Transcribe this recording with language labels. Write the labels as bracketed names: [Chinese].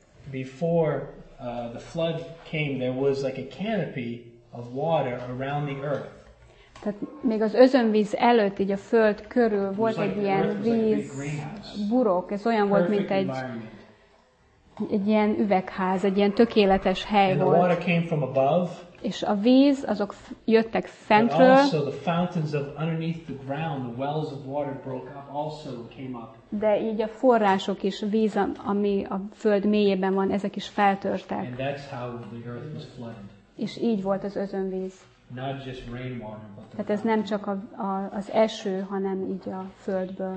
[English] Before the flood came, there was like a canopy of water around the earth. [Hungarian] Tehát még az özönvíz előtt, így a föld körül volt egy ilyen víz burok. Ez olyan volt, mint egy egy ilyen üvegház, egy ilyen tökéletes hely [English] and [Hungarian] volt. [English] The water came from above. [Hungarian] És a víz, azok jöttek fentről. [English] But also the fountains of underneath the ground, the wells of water broke up, also came up. [Hungarian] De így a források is, víz, ami a föld mélyében van, ezek is feltörtek. [English] And that's how the earth was flooded. [Hungarian] És így volt az özönvíz. [English] Not just rainwater, but the [Hungarian] tehát ez nem csak az eső, hanem így a földből.